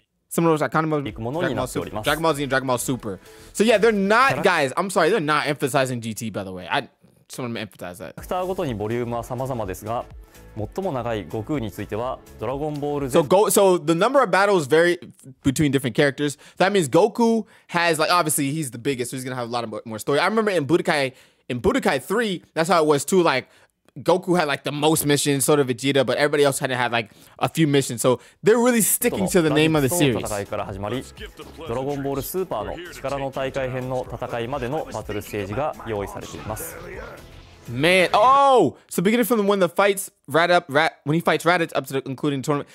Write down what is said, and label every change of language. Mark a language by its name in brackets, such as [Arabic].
[English] Some of those are kind of Dragon Ball Z and Dragon Ball Super. So yeah, they're not, guys, I'm sorry. They're not emphasizing GT, by the way. [Japanese] クターごとにボリュームは様々ですが、最も長い悟空についてはドラゴンボール Z。 [English] So the number of battles vary between different characters. That means Goku has like obviously he's the biggest, so he's gonna have a lot of more story. I remember in Budokai 3, that's how it was too. Like Goku had like the most missions, sort of Vegeta, but everybody else kind of had like a few missions. So they're really sticking to the name of the series. [Japanese] の戦いから始まり、ドラゴンボールスーパーの力の大会編の戦いまでのバトルステージが用意されています。 [English] Man, oh, so beginning from when he fights Raditz up to the concluding tournament.